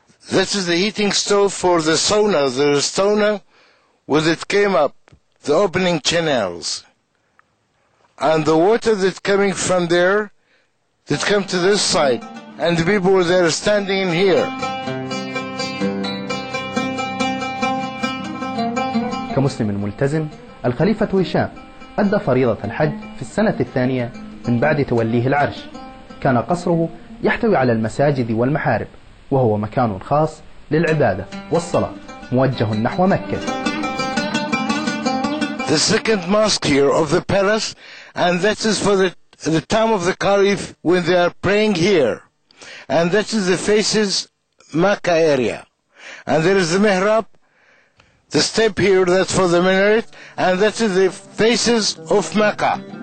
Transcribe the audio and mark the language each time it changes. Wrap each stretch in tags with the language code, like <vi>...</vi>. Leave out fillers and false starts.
<en>This is the heating stove for the sauna, the sauna. With it came up, the opening channels. And the water that coming from there, that come to this side, and the people were there standing in here.</en> <ar>كمسلم ملتزم، الخليفة هشام أدى فريضة الحج في السنة الثانية من بعد توليه العرش. كان قصره يحتوي على المساجد والمحارب، وهو مكان خاص للعبادة والصلاة، موجه نحو مكة.</ar> <en>The second mosque here of the palace, and that is for the time of the Caliph when they are praying here. And that is the faces Mecca area. And there is the mihrab, the step here that's for the minaret, and that is the faces of Mecca.</en>